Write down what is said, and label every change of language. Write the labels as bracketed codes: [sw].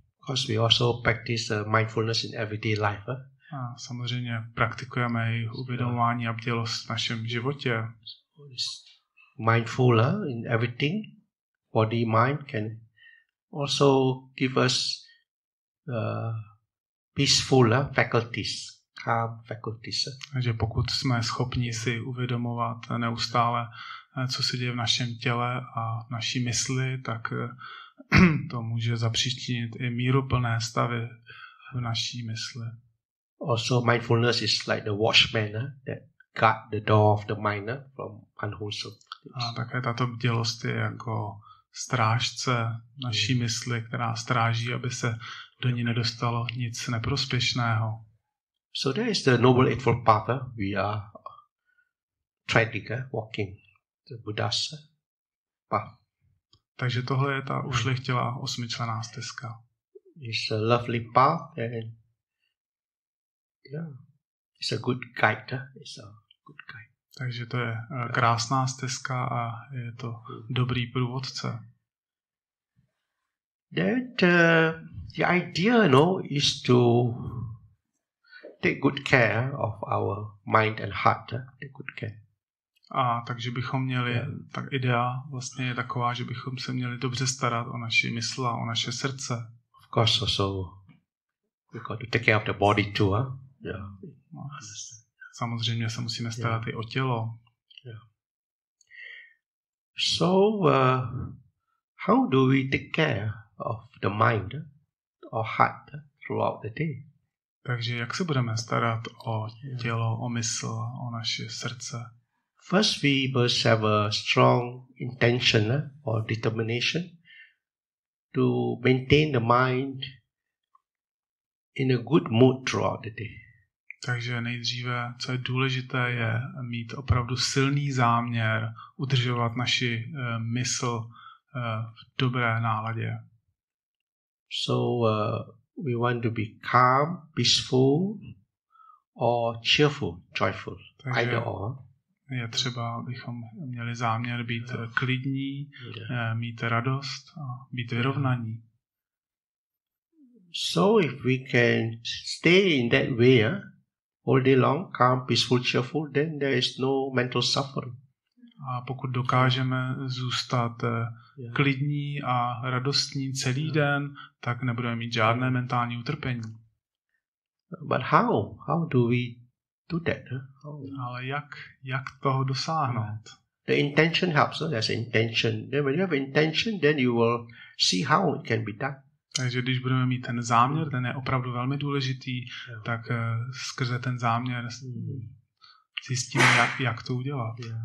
[en] Because we also practice mindfulness in everyday life. [cs] A samozřejmě praktikujeme i uvědomování a bdělost v našem životě. [en] Mindful in everything. Body, mind can also give us peaceful faculties, calm faculties. [cs] Takže pokud jsme schopni si uvědomovat neustále, co se děje v našem těle a v naší mysli, tak to může zapříčinit i míruplné stavy v naší mysli. [en] Also mindfulness is like the watchman that guard the door of the mind from unwholesome. [cs] A také tato bdělost je jako strážce naší mysli, která stráží, aby se do ní nedostalo nic neprospěšného. [en] So there is the Noble Eightfold Path. We are treading, walking the Buddha's path. [cs] Takže tohle je ta ušlechtilá osmičlenná stezka. [en] It's a lovely path and yeah, it's a good guide. It's a good guide. [cs] Takže to je krásná stezka a je to dobrý průvodce. [en] That the idea, you know, is to take good care of our mind and heart. Take good care. [cs] A takže bychom měli, tak idea vlastně je taková, že bychom se měli dobře starat o naši mysl a o naše srdce. [en] Of course, also we got to take care of the body too. Huh? Yeah. No, [cs] samozřejmě se musíme starat i o tělo. [en] Yeah. So, how do we take care of the mind or heart throughout the day? [cs] Takže jak se budeme starat o tělo, o mysl, o naše srdce? [en] First, we must have a strong intention or determination to maintain the mind in a good mood throughout the day. [cs] Takže nejdříve, co je důležité, je mít opravdu silný záměr udržovat naši mysl v dobré náladě. [en] So we want to be calm, peaceful or cheerful, joyful. [cs] Takže [en] either or. [cs] Je třeba, abychom měli záměr být klidní, mít radost a být vyrovnaní. [en] So if we can stay in that way all day long, calm, peaceful, cheerful, then there is no mental suffering. [cs] A pokud dokážeme zůstat klidní a radostní celý den, tak nebudeme mít žádné mentální utrpení. [en] But how do we do that? [cs] Ale jak toho dosáhnout? [en] The intention helps. So there's intention. Then when you have intention, then you will see how it can be done. [cs] Takže když budeme mít ten záměr, ten je opravdu velmi důležitý, tak skrze ten záměr zjistíme, jak to udělat.